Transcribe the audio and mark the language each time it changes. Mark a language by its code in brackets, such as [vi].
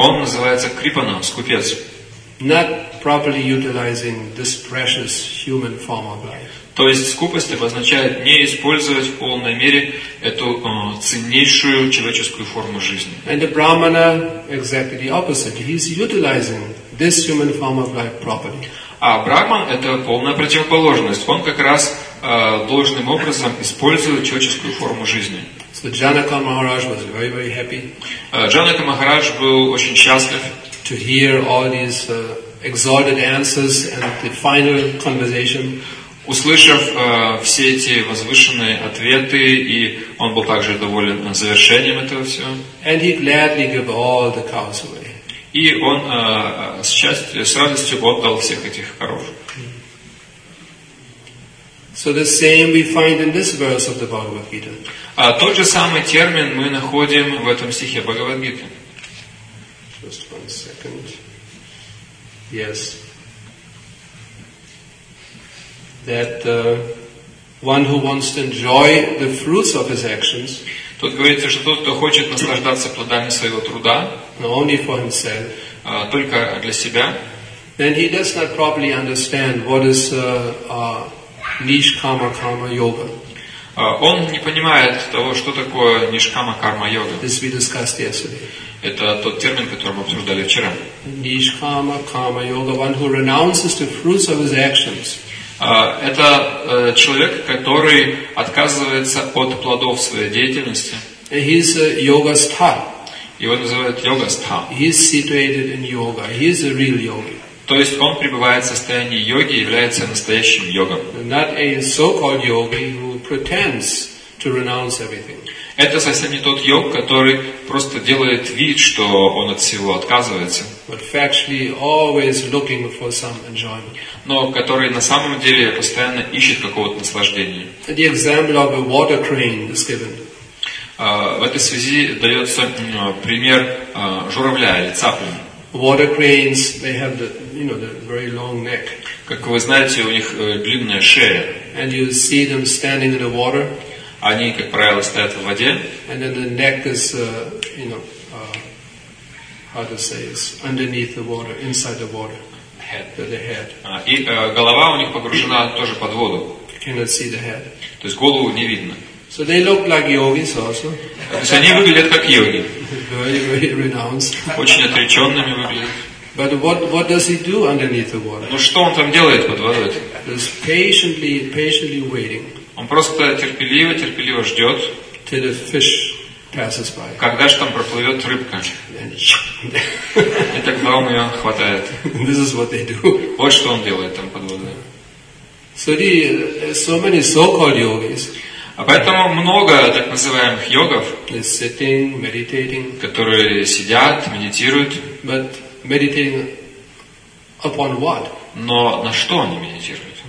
[ru] Он называется Крипана, скупец. [en] Not properly utilizing this precious human form of life. [ru] То есть скупость обозначает не использовать в полной мере эту ценнейшую человеческую форму жизни. [en] And the Brahmana exactly the opposite. He is utilizing this human form of life properly. [ru] А Брахман — это полная противоположность. Он как раз должным образом использует человеческую форму жизни. [en] So Janaka Maharaj was very, very happy. [ru] Janaka Maharaj был очень счастлив. [en] To hear all these exalted answers and the final conversation. [ru] Услышав все эти возвышенные ответы, и он был также доволен завершением этого всего. [en] And he gladly gave all the cows away. [ru] И он с радостью отдал всех этих коров. [en] So the same we find in this verse of the Bhagavad Gita. [ru] Тот же самый термин мы находим в этом стихе Бхагавад-гиты. [en] Just one second. Yes. That one who wants to enjoy the fruits of his actions. [ru] Тут говорится, что тот, кто хочет наслаждаться плодами своего труда, [en] only for himself, [ru] только для себя, [en] then he does not properly understand what is nishkama karma yoga. [ru] Он не понимает того, что такое нишкама карма йога. [en] This we discussed yesterday. [ru] Это тот термин, который мы обсуждали вчера. [en] Nishkama karma yoga, one who renounces the fruits of his actions. [ru] Это человек, который отказывается от плодов своей деятельности. [en] He's a yoga star. [ru] Его называют йога ста. [en] He's situated in yoga. He's a real yogi. [ru] То есть он пребывает в состоянии йоги, является настоящим йогом. [en] Not a so-called yogi who pretends to renounce everything. [ru] Это совсем не тот йог, который просто делает вид, что он от всего отказывается. [en] But factually always looking for some enjoyment. [ru] Но который на самом деле постоянно ищет какого-то наслаждения. [en] The example of a water crane is given. [ru] В этой связи дается пример журавля или цапли. [en] Water cranes, they have the, you know, the very long neck. [ru] Как вы знаете, у них длинная шея. [en] And you see them standing in the water. [ru] Они, как правило, стоят в воде. [en] And then the neck is, you know, how to say, is underneath the water, inside the water. Head. The head. [ru] И голова у них погружена тоже под воду. [en] Cannot see the head. [ru] То есть голову не видно. [en] So they look like yogis also. [ru] То есть они выглядят как йоги. [en] Very, very renounced. [ru] Очень отреченными выглядят. [en] But what does he do underneath the water? [ru] Ну что он там делает под водой? [en] He's patiently, patiently waiting. [ru] Он просто терпеливо, терпеливо ждет. [en] Till the fish passes by. [ru] Когда же там проплывет рыбка? И тогда он ее хватает. [en] This is what they do. [ru] Вот что он делает там под водой. [en] So so many so-called yogis. [ru] А поэтому много так называемых йогов, [en] sitting, meditating, [ru] которые сидят, медитируют. [en] But meditating upon what? [ru] Но на что они медитируют?